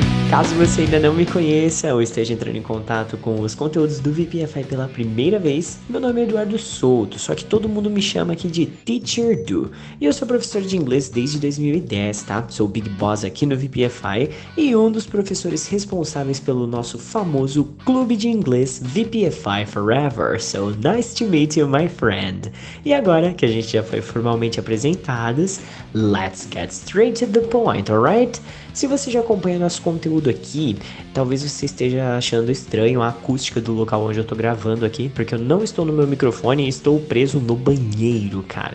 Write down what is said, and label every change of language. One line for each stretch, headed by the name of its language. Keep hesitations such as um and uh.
Portuguese: Caso você ainda não me conheça ou esteja entrando em contato com os conteúdos do VPFI pela primeira vez, meu nome é Eduardo Souto, só que todo mundo me chama aqui de Teacher Do. E eu sou professor de inglês desde 2010, tá? Sou o Big Boss aqui no VPFI e um dos professores responsáveis pelo nosso famoso clube de inglês VPFI Forever.
English: So nice to meet you, my friend.
Portuguese: E agora que a gente já foi formalmente apresentados,
English: let's get straight to the point, alright?
Portuguese: Se você já acompanha nosso conteúdo aqui, talvez você esteja achando estranho a acústica do local onde eu estou gravando aqui, porque eu não estou no meu microfone e estou preso no banheiro, cara.